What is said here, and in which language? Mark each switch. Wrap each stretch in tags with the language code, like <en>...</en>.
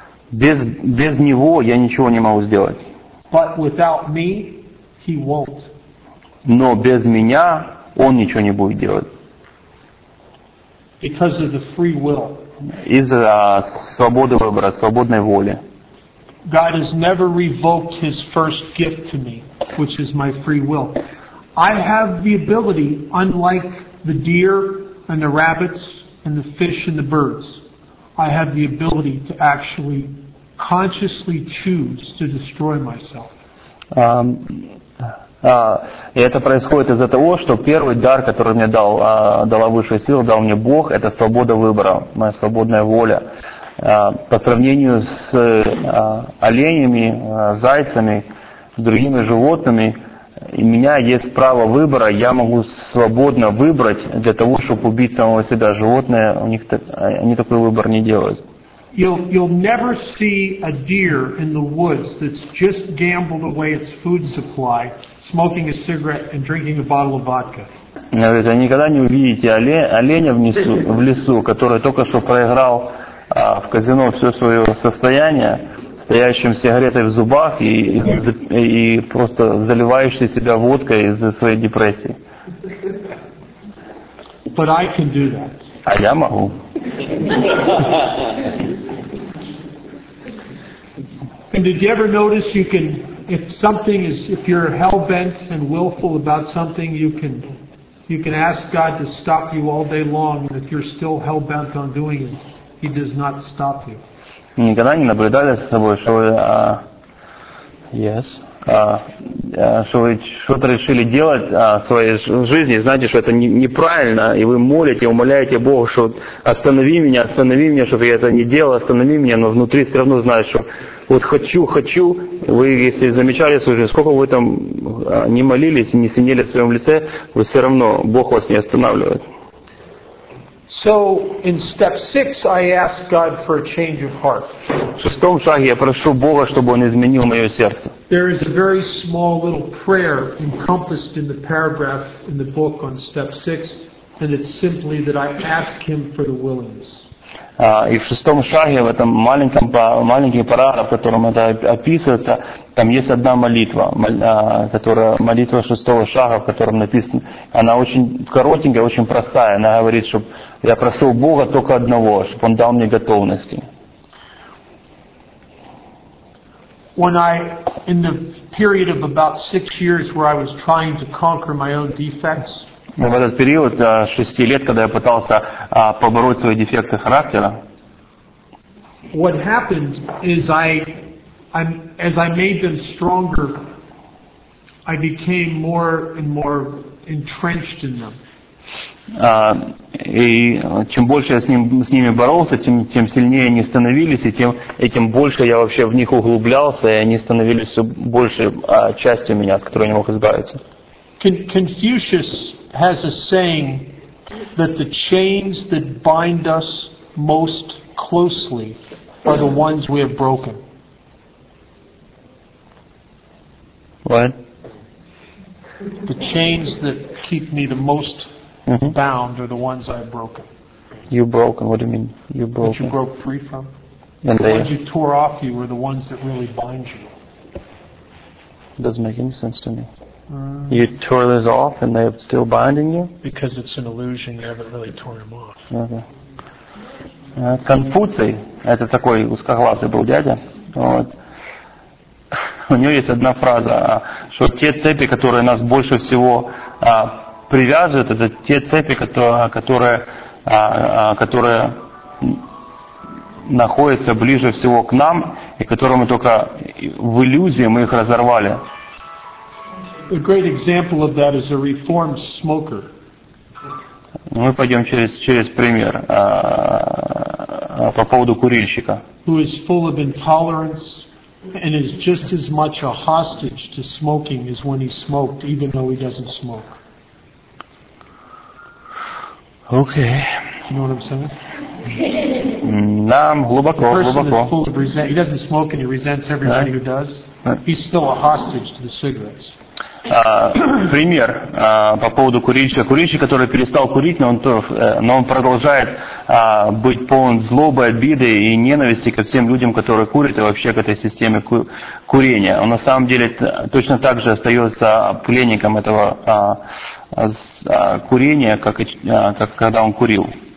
<ru>Без него я ничего не могу сделать.</ru> <en>But without me, he won't.</en> <ru>Но без меня он ничего не будет делать.</ru> <en>Because of the free will.</en> <ru>Из-за свободы выбора, свободной воли.</ru> <en>God has never revoked his first gift to me, which is my free will. I have the ability, unlike the deer and the rabbits and the fish and the birds, I have the ability to actually consciously choose to destroy myself.</en> <ru>И это происходит из-за того, что первый дар, который мне дала высшая сила, дал мне Бог, это свобода выбора, моя свободная воля. По сравнению с оленями, зайцами, другими животными, и у меня есть право выбора, я могу свободно выбрать для того, чтобы убить самого себя. Животные, они такой выбор не делают.</ru> <en>You'll never see a deer in the woods that's just gambled away its food supply, smoking a cigarette and drinking a bottle of vodka.</en> <ru>Вы никогда не увидите оленя в лесу, который только что проиграл в казино все свое состояние, стоящим с сигаретой в зубах и просто заливающий себя водкой из-за своей депрессии.</ru> <en>But I can do that.</en> <ru>А я могу.</ru> <en>And did you ever notice you can, if something is, if you're hell-bent and willful about something, you can ask God to stop you all day long, and if you're still hell-bent on doing it, He does not stop you.</en> <ru>Никогда не наблюдали за собой, что вы, что вы что-то решили делать в своей жизни, знаете, что это неправильно, и вы молите, умоляете Бога, что останови меня, чтобы я это не делал, останови меня, но внутри все равно знаешь, что вот хочу, вы если замечали свою жизнь, сколько вы там не молились, не синели в своем лице, вы все равно, Бог вас не останавливает.</ru> <en>So in step six, I ask God for a change of heart.</en> <ru>В шестом шаге я прошу Бога, чтобы Он изменил мое сердце.</ru> <en>There is a very small little prayer encompassed in the paragraph in the book on step six, and it's simply that I ask Him for the willingness.</en> <ru>И в шестом шаге в этом маленький параграф, в котором это описывается, там есть одна молитва, которая молитва шестого шага, в котором написано, она очень коротенькая, очень простая. Она говорит, что я прошу Бога только одного, чтобы Он дал мне готовности.</ru> <en>When I in the period of about six years where I was trying to conquer my own defects.</en> <ru>В этот период шести лет, когда я пытался побороть свои дефекты характера, what happened is as I made them stronger, I became more and more entrenched in them. И чем больше я с ними боролся, тем сильнее они становились, и тем больше я вообще в них углублялся, и они становились все больше частью меня, от которой я не мог избавиться.</ru> <en>Confucius has a saying that the chains that bind us most closely are the ones we have broken. What? The chains that keep me the most mm-hmm. bound are the ones I have broken. You broken, what do you mean? You broken. That you broke free from. And the ones you tore off you are the ones that really bind you. Doesn't make any sense to me. You tore those off and they're still binding you? Because it's an illusion, you haven't really torn them off.</en> <ru>Конфуций, это такой узкоглазый был дядя, вот. У него есть одна фраза, что те цепи, которые нас больше всего привязывают, это те цепи, которые находятся ближе всего к нам, и которые мы только в иллюзии мы их разорвали.</ru> <en>A great example of that is a reformed smoker.</en> <ru>Мы пойдем через пример по поводу курильщика.</ru> <en>Who is full of intolerance and is just as much a hostage to smoking as when he smoked, even though he doesn't smoke. Okay. You know what I'm saying?</en> <ru>Нам глубоко, глубоко.</ru> <en>The person is full of resent. He doesn't smoke and he resents everybody yeah. who does. He's still a hostage to the cigarettes.</en> <ru>Пример по поводу курильщика. Курильщик, который перестал курить, но он продолжает быть полон злобы, обиды и ненависти ко всем людям, которые курят, и вообще к этой системе курения. Он на самом деле точно так же остается пленником этого курения, как когда он курил.</ru>